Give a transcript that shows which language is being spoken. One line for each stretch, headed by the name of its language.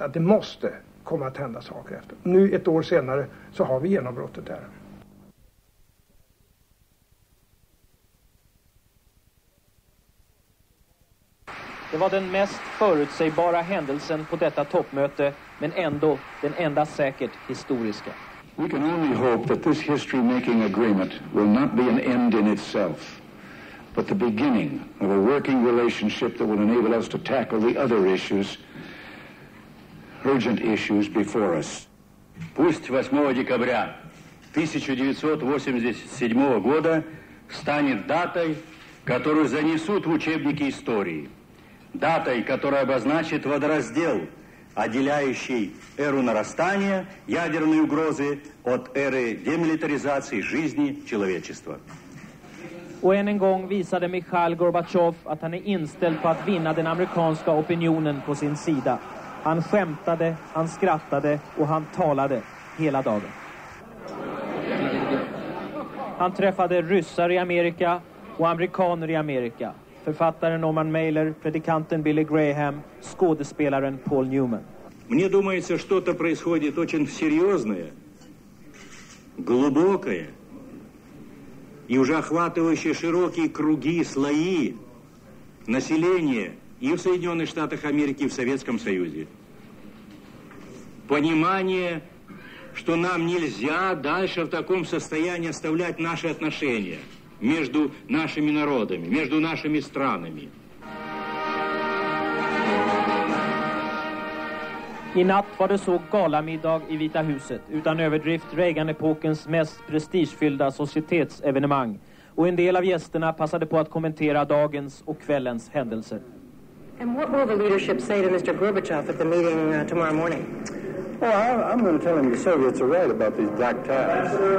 Swedish: Att det måste komma att hända saker efter. Nu ett år senare så har vi genombrottet där. Det var den mest förutsägbara händelsen på detta toppmöte, men ändå den enda säkert historiska.
English: We can only hope that this history-making agreement will not be an end in itself, but the beginning of a working relationship that will enable us to tackle the other issues, urgent issues before us.
Russian: Пусть 8 декабря 1987 года станет датой, которую занесут в учебники истории. Датой, которая обозначит водораздел, отделяющий эру нарастания ядерной угрозы от эры демилитаризации жизни человечества.
Swedish: Och än en gång visade Mikhail Gorbachev att han är inställd på att vinna den amerikanska opinionen på sin sida. Han skämtade, han skrattade och han talade hela dagen. Han träffade ryssar i Amerika och amerikaner i Amerika. Författaren Norman Mailer, predikanten Billy Graham, skådespelaren Paul Newman.
Russian: Мне думается, что-то происходит очень серьезное, глубокое и уже охватывающее широкие круги, слои населения и в Соединенных Штатах Америки, и в Советском Союзе. Понимание, что нам нельзя дальше в таком состоянии оставлять наши отношения. Между нашими народами, между нашими странами.
Swedish: I natt var det så galamiddag i Vita huset, utan överdrift Reagan-epokens mest prestigefyllda societetsevenemang. Och en del av gästerna passade på att kommentera dagens och kvällens händelser.
English: And what will the leadership say to Mr. Gorbachev at the meeting tomorrow morning? Well, I'm going to tell him the Soviets are right about these black ties.